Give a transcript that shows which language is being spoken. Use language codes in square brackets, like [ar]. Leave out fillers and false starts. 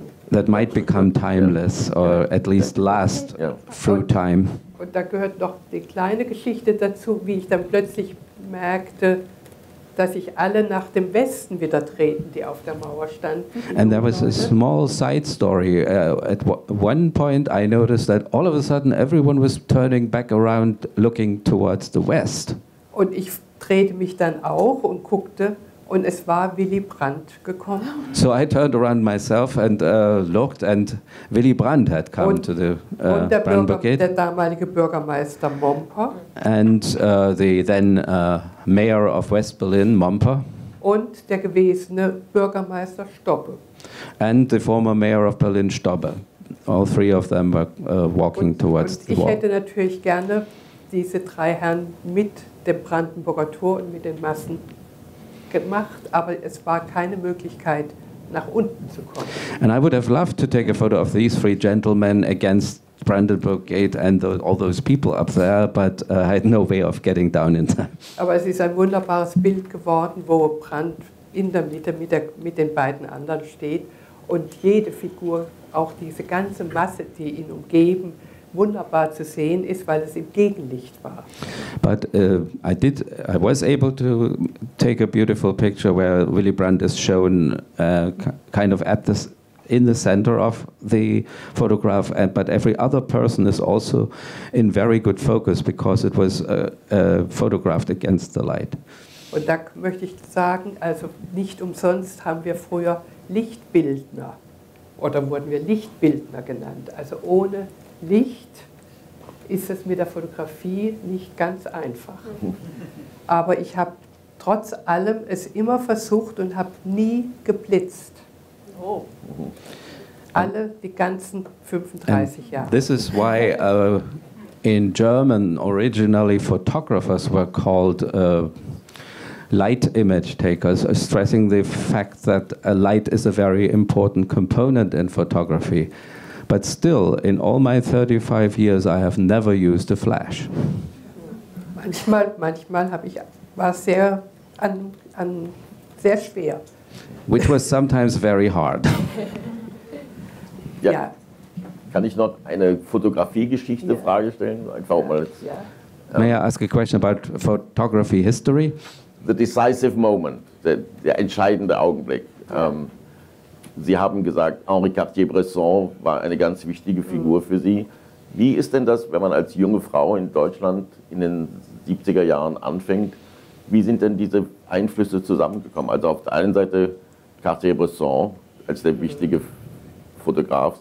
[en] That might become timeless or at least last through time. [de] Und da gehört noch eine kleine Geschichte dazu, wie ich dann plötzlich merkte, dass ich alle nach dem Westen wieder drehten, die auf der Mauer standen. [en] And there was a small side story. At one point I noticed that all of a sudden everyone was turning back around looking towards the West. [de] Und ich drehte mich dann auch und guckte, und es war Willy Brandt gekommen. [en] So I turned around myself and looked, and Willy Brandt had come to the Brandenburg Gate. [de] Und der damalige Bürgermeister Momper. [en] And the then mayor of West Berlin, Momper. [de] Und der gewesene Bürgermeister Stobbe. [en] And the former mayor of Berlin, Stobbe. All three of them were walking towards the wall. [de] Ich hätte natürlich gerne diese drei Herren mit dem Brandenburger Tor und mit den Massen gemacht, aber es war keine Möglichkeit, nach unten zu kommen. [en] And I would have loved to take a photo of these three gentlemen against Brandenburg Gate and all those people up there, but I had no way of getting down in time. [de] Aber es ist ein wunderbares Bild geworden, wo Brandt in der Mitte mit den beiden anderen steht und jede Figur, auch diese ganze Masse, die ihn umgeben, wunderbar zu sehen ist, weil es im Gegenlicht war. [en] But I was able to take a beautiful picture where Willy Brandt is shown kind of in the center of the photograph, but every other person is also in very good focus because it was photographed against the light. [de] Und da möchte ich sagen, also nicht umsonst haben wir früher Lichtbildner oder wurden wir Lichtbildner genannt, also ohne Licht ist es mit der Fotografie nicht ganz einfach. Aber ich habe trotz allem es immer versucht und habe nie geblitzt. Oh. Alle die ganzen 35 Jahre. [en] This is why in German originally photographers were called light image takers, stressing the fact that a light is a very important component in photography. But still, in all my 35 years, I have never used a flash. [de] Manchmal war es sehr sehr schwer. [en] Which was sometimes very hard. [de] Ja. Kann ich noch eine Fotografiegeschichte Frage stellen? Einfach mal. [en] May I ask a question about photography history? The decisive moment, [de] der entscheidende Augenblick. Sie haben gesagt, Henri Cartier-Bresson war eine ganz wichtige Figur für Sie. Wie ist denn das, wenn man als junge Frau in Deutschland in den 70er Jahren anfängt? Wie sind denn diese Einflüsse zusammengekommen? Also auf der einen Seite Cartier-Bresson als der wichtige Fotograf.